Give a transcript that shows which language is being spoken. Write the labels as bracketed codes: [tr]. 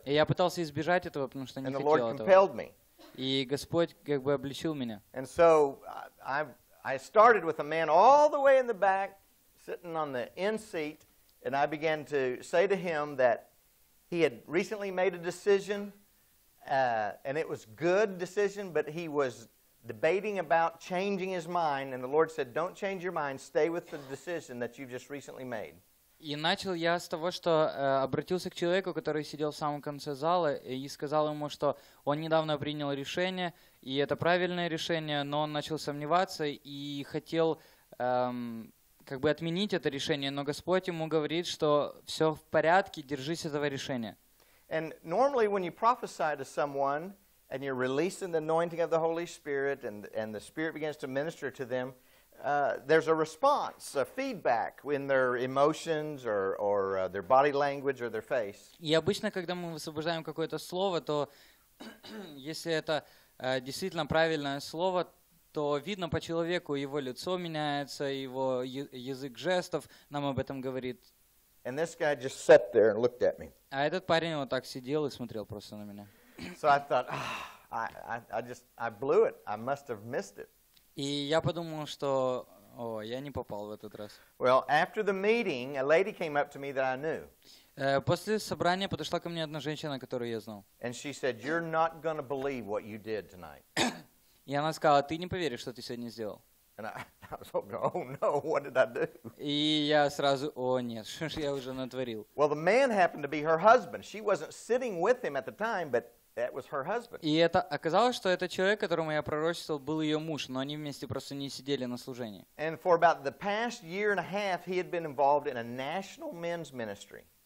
[ru] И я пытался избежать этого, потому что не хотел этого. [en] And the Lord compelled me. [ru] И Господь как бы обличил меня. [en] And so I started with a man all the way in the back, sitting on the end seat. And I began to say to him that he had recently made a decision, and it was a good decision, but he was debating about changing his mind. And the Lord said, don't change your mind, stay with the decision that you've just recently made. [ru] И начал я с того, что обратился к человеку, который сидел в самом конце зала, и сказал ему, что он недавно принял решение, и это правильное решение, но он начал сомневаться и хотел как бы отменить это решение, но Господь ему говорит, что все в порядке, держись этого решения. [en] And normally when you prophesy to someone and you're releasing the anointing of the Holy Spirit and the Spirit begins to minister to them, there's a response, a feedback in their emotions or their body language or their face. [ru] И обычно, когда мы высвобождаем какое-то слово, то если это действительно правильное слово, то видно по человеку, его лицо меняется, его язык жестов нам об этом говорит. [en] And this guy just sat there and looked at me. [ru] А этот парень вот так сидел и смотрел просто на меня. [en] So I thought, I blew it. I must have missed it. [ru] И я подумал, что, о, я не попал в этот раз. [en] Well, after the meeting, a lady came up to me that I knew. [ru] После собрания подошла ко мне одна женщина, которую я знал. [en] And she said, "You're not going to believe what you did tonight." [ru] И она сказала, ты не поверишь, что ты сегодня сделал. [en] And I was like, oh no, what did I do? [ru] И я сразу, о нет, что же я уже натворил? [en] Well, the man happened to be her husband. She wasn't sitting with him at the time, but that was her husband. [ru] И это оказалось, что этот человек, которому я пророчествовал, был ее муж, но они вместе просто не сидели на служении. [en] And for about the past year and a half, he had been involved in a national men's ministry.